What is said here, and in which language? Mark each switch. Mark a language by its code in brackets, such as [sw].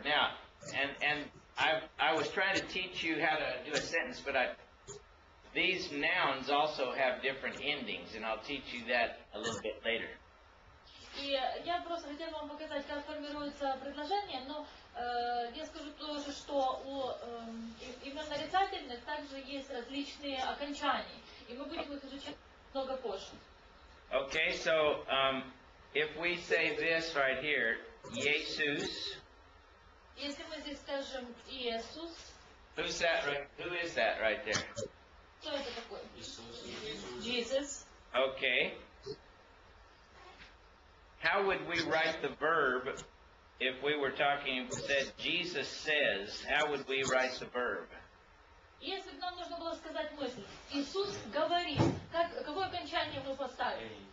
[en] Now, I was trying to teach you how to do a sentence, but these nouns also have different endings, and I'll teach you that a little bit later. [ru] И я просто хотела вам показать, как формируется предложение, но я скажу тоже, что у имен нарицательных также есть различные окончания, и мы будем их изучать много позже. [en] Okay, so if we say this right here, Jesus. [ru] Если мы здесь скажем Иисус. [en] Who's that? Who is that right there? [ru] Кто это такой? Jesus. [en] Okay. How would we write the verb if we were talking, said Jesus says, how would we write the verb? [ru] Если бы нам нужно было сказать мысль, Иисус говорит, какое окончание мы поставим?